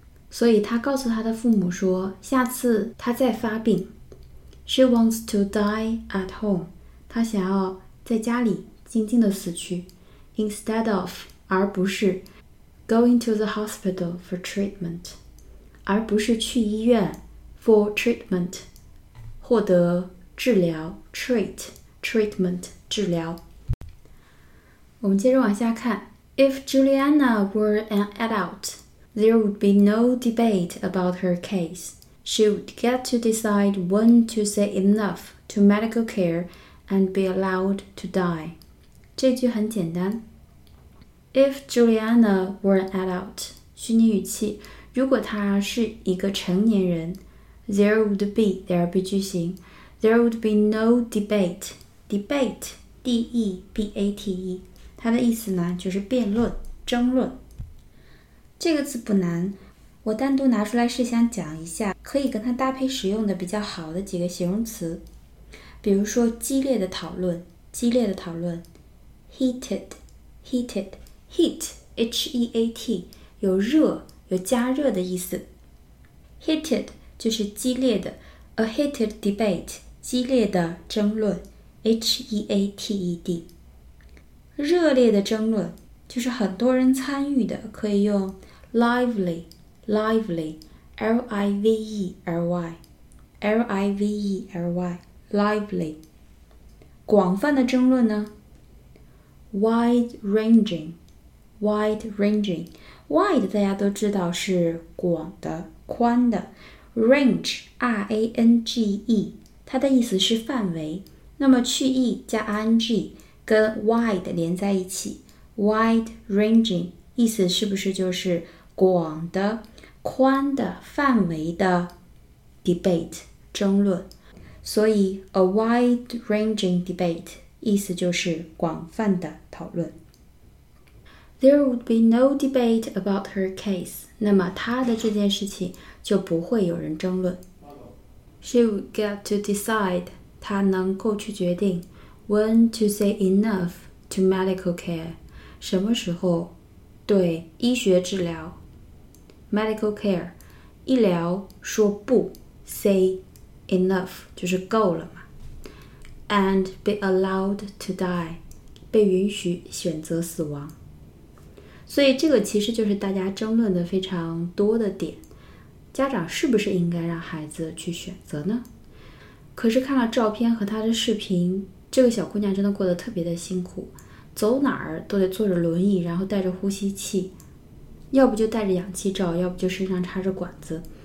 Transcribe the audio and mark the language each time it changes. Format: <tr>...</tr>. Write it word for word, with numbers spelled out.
<zh>所以她告诉她的父母说，下次她再发病</zh> <en>She wants to die at home，</en> <zh>她想要在家里静静的死去 instead of， 而不是</zh> <en>going to the hospital for treatment，</en> <zh>而不是去医院</zh> <en>for treatment，</en> <zh>获得治疗 treat treatment 治疗。</zh> <en>我们接着往下看 If Juliana were an adult, there would be no debate about her case. She would get to decide when to say enough to medical care and be allowed to die.</en> <zh>这句很简单</zh> <en>If Juliana were an adult，</en> <zh>虚拟语气，如果她是一个成年人 There would be， there 必句型</zh> <en>There would be no debate.</en> <zh>Debate D E B A T E，它的意思呢就是辩论、争论。这个词不难，我单独拿出来是想讲一下可以跟它搭配使用的比较好的几个形容词，比如说激烈的讨论，激烈的讨论 heated heated heat H E A T 有热，有加热的意思。 heated 就是激烈的，</zh> <en>a heated debate</en> <zh>激烈的争论 H E A T E D。热烈的争论就是很多人参与的，可以用 lively lively L I V E L Y L I V E L Y lively。广泛的争论呢</zh> <en>wide ranging wide ranging</en> <zh>wide 大家都知道是广的、宽的， range R A N G E 它的意思是范围，那么去 e 加 ing跟 wide 连在一起 wide ranging 意思是不是就是广的、宽的、范围的 debate 争论。所以</zh> <en>a wide ranging debate</en> <zh>意思就是广泛的讨论。</zh> <en>There would be no debate about her case，</en> <zh>那么她的这件事情就不会有人争论。</zh> <en>She would get to decide，</en> <zh>她能够去决定</zh> <en>When to say enough to medical care，</en> <zh>什么时候对医学治疗 medical care 医疗说不， say enough 就是够了嘛</zh> <en>and be allowed to die</en> <zh>被允许选择死亡。所以这个其实就是大家争论的非常多的点，家长是不是应该让孩子去选择呢？可是看了照片和他的视频，这个小姑娘真的过得特别的辛苦，走哪儿都得坐着轮椅，然后带着呼吸器，要不就带着氧气罩，要不就身上插着管子。</zh>